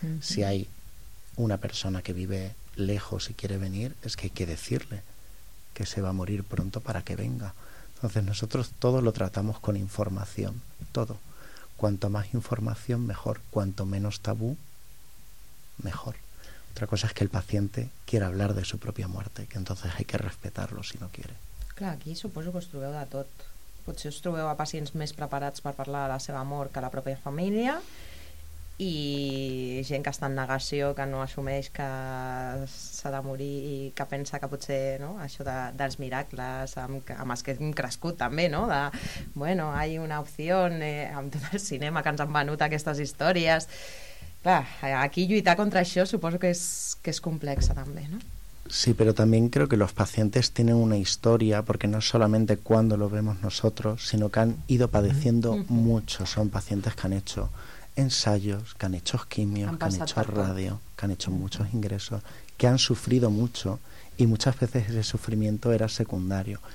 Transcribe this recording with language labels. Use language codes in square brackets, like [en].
[es] Si hay una persona que vive lejos y quiere venir, es que hay que decirle que se va a morir pronto para que venga. Entonces nosotros todo lo tratamos con información, todo. Cuanto más información, mejor. Cuanto menos tabú, mejor. Otra cosa es que el paciente quiera hablar de su propia muerte, que entonces hay que respetarlo si no quiere. [ca] Clar, aquí suposo que us trobeu de tot. Potser us trobeu a pacients més preparats per parlar de la seva mort que la pròpia família, i gent que està en negació, que no assumeix que s'ha de morir i que pensa que potser, no, això de, dels miracles amb els que hem crescut també, no, de, bueno, [es] hay una [ca] opció, amb tot el cinema que ens han venut aquestes històries. Clar, aquí lluitar contra això suposo que és complexa també, no? [es] Sí, pero también creo que los pacientes tienen una historia, porque no solamente cuando lo vemos nosotros, sino que han ido padeciendo mucho. Son pacientes que han hecho ensayos, que han hecho quimios, que han hecho radio, que han hecho muchos ingresos, que han sufrido mucho, y muchas veces ese sufrimiento era secundario.